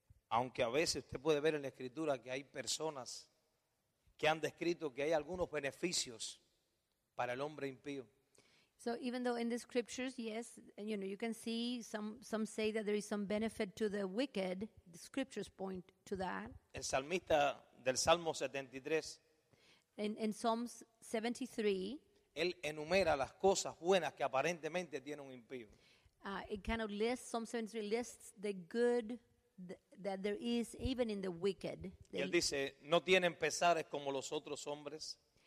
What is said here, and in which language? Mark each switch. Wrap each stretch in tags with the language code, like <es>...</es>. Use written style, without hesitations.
<es>Aunque a veces usted puede ver en la escritura que hay personas que han descrito que hay algunos beneficios para el hombre impío.</es> <en>So even though in the scriptures, yes, you know, you can see some say that there is some benefit to the wicked, the scriptures point to that.</en> <es>El salmista del Salmo 73.</es> <en>In Psalms 73.</en> <es>Él enumera las cosas buenas que aparentemente tiene un impío.</es> <en>It kind of lists, Psalm 73 lists the good that there is even in the wicked.</en> <es>Y él dice, no tienen pesares como los otros hombres.</es>